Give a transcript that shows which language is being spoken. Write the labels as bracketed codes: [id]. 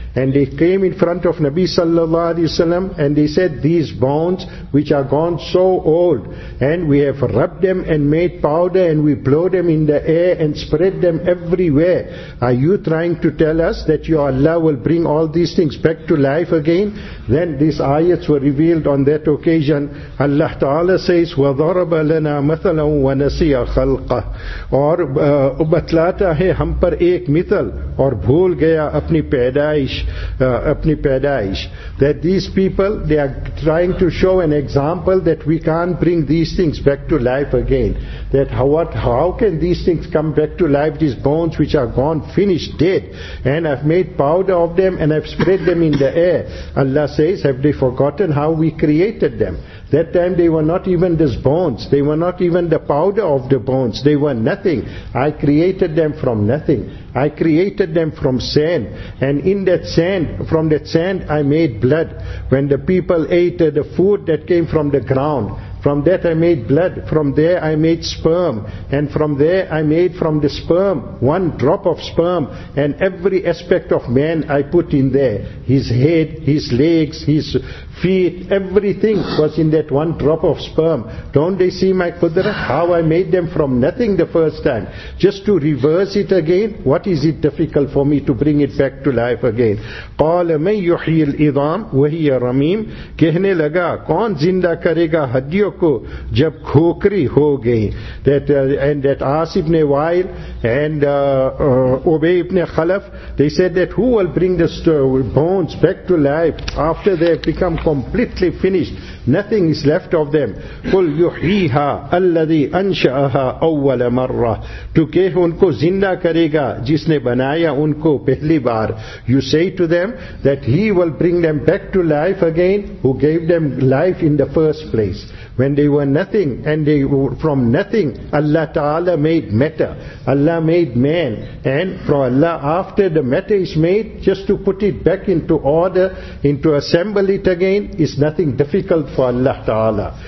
[en] And they came in front of Nabi sallallahu alayhi wasallam and they said, these bones which are gone so old, and we have rubbed them and made powder and we blow them in the air and spread them everywhere. Are you trying to tell us that your Allah will bring all these things back to life again? Then these ayats were revealed on that occasion. Allah Ta'ala says, [ar] وَضَرَبَ لَنَا مَثَلًا وَنَسِيَ خَلْقَهُ, [ur] اور بتلاتا ہے ہم پر ایک مثل اور بھول گیا اپنی پیدائش. [en] That these people, they are trying to show an example that we can't bring these things back to life again. That how can these things come back to life, these bones which are gone, finished, dead, and I've made powder of them and I've spread them in the air. Allah says, have they forgotten how we created them? That time they were not even these bones. They were not even the powder of the bones. They were nothing. I created them from nothing. I created them from sand. And in that sand, from that sand, I made blood. When the people ate the food that came from the ground, from that I made blood. From there I made sperm. And from there I made from the sperm, one drop of sperm, and every aspect of man I put in there. His head, his legs, his feet, everything was in that one drop of sperm. Don't they see my qudra? How I made them from nothing the first time. Just to reverse it again, what is it difficult for me to bring it back to life again? [ar] قَالَ مَنْ يُحْيِي الْعِظَامِ وَهِيَ رَمِيمٌ, [ur] کہنے لگا کون زندہ کرے گا ہڈیوں کو جب کھوکری ہو گئی. [en] That Aas ibn Wail and Ubay ibn Khalaf, they said that who will bring the bones back to life after they have become completely finished, nothing is left of them. [ar] قُلْ يُحْيِيهَا أَلَّذِي أَنشَأَهَا أَوَّلَ مَرَّةٍ, [ur] تو کہ ان کو زندہ کرے گا جس نے بنایا ان کو پہلی بار. [en] You say to them that he will bring them back to life again who gave them life in the first place. When they were nothing and they were from nothing, Allah Ta'ala made matter. Allah made man. And from Allah, after the matter is made, just to put it back into order, into assemble it again, is nothing difficult for Allah Ta'ala.